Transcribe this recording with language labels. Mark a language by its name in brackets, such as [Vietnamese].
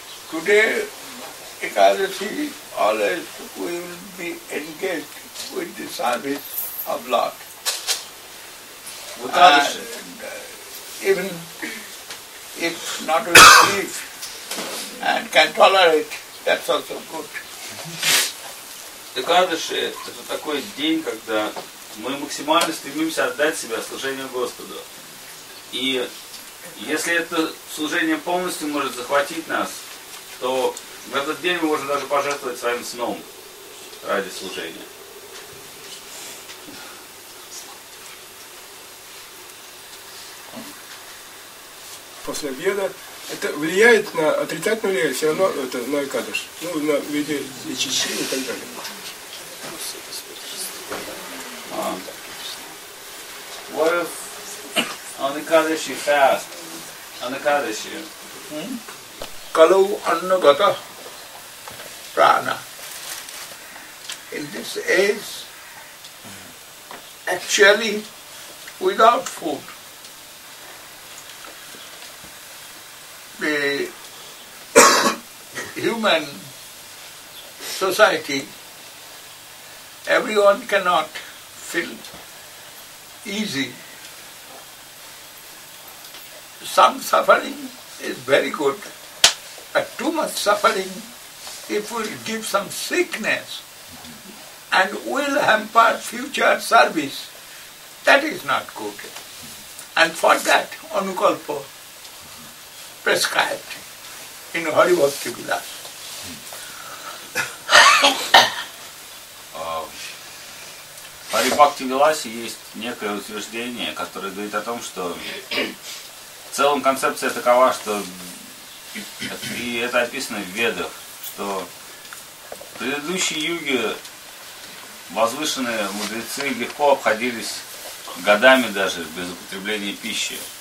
[English] Today, Ekadashi, always we will be engaged with the service of Lord. Ekadashi. Even if not receive and can tolerate, that's also good. [Russian] Экадаши – это такой день, когда мы максимально стремимся отдать себя служению Господу. И если это служение полностью может захватить нас, то в этот день мы можем даже пожертвовать своим сном ради служения. После обеда это влияет на отрицательное влияние, все равно это на Экадаш, ну, на виде очищения и так далее. [English] What if on Ekadashi fast? On Ekadashi? [Sanskrit] Kalu annagata prana. [English] In this age, actually without food, the human society, everyone cannot feel easy. Some suffering is very good, but too much suffering, it will give some sickness and will hamper future service. That is not good. And for that, Anukalpa prescribed in Harivakti Vilas. [Russian] В Харибхакти Виласе есть некое утверждение, которое говорит о том, что в целом концепция такова, что, и это описано в Ведах, что в предыдущей юге возвышенные мудрецы легко обходились годами даже без употребления пищи.